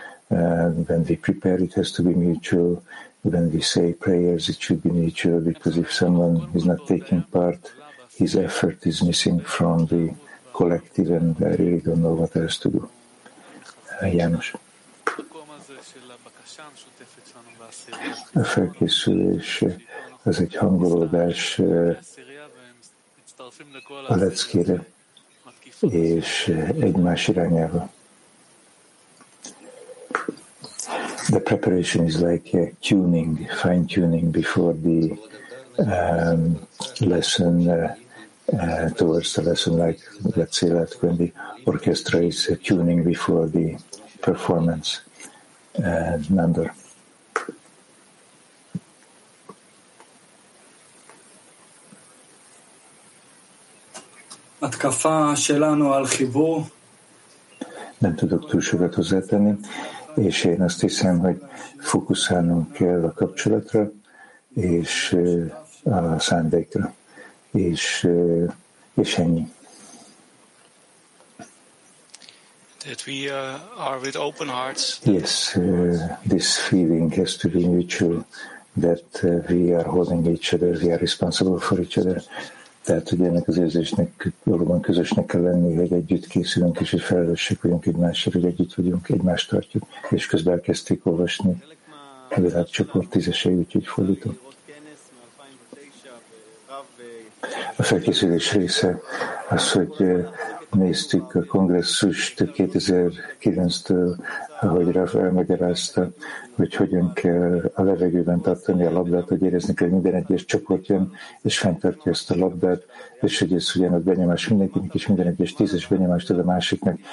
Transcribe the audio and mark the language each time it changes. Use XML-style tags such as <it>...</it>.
<en>When we prepare, it has to be mutual. When we say prayers, it should be mutual, because if someone is not taking part, his effort is missing from the collective, and I really don't know what else to do.</en> <hu>János. A felkészülés az egy hangolódás a leckére és egymás irányába.</hu> <en>The preparation is like tuning, fine tuning before the lesson. Towards the lesson, like, let's say that when the orchestra is tuning before the performance. Nandor.</en> <he>Atkafa shelanu al chibur.</he> <hu>Nem tudok túl sokat hozzátenni, és én azt hiszem, hogy fókuszálnunk kell a kapcsolatra és a szándékra. És ennyi.</hu> <en>That we are with open hearts. Yes, this feeling has to be mutual, that we are holding each other, we are responsible for each other.</en> <hu>Tehát, hogy ennek az érzésnek valóban közösnek kell lenni, hogy együtt készülünk, és hogy felelősség vagyunk egymásra, hogy együtt vagyunk, egymást tartjuk. És közben elkezdték olvasni a világcsoport tízesei, úgyhogy fordítom. A felkészülés része az, hogy néztük a kongresszust 2009-től, ahogy Rav elmagyarázta, hogy hogyan kell a levegőben tartani a labdát, hogy érezni kell, hogy minden egyes csoport jön, és fenntartja ezt a labdát, és hogy ez ugyanaz benyomás mindenkinek, és minden egyes tízes benyomást ad a másiknak.</hu>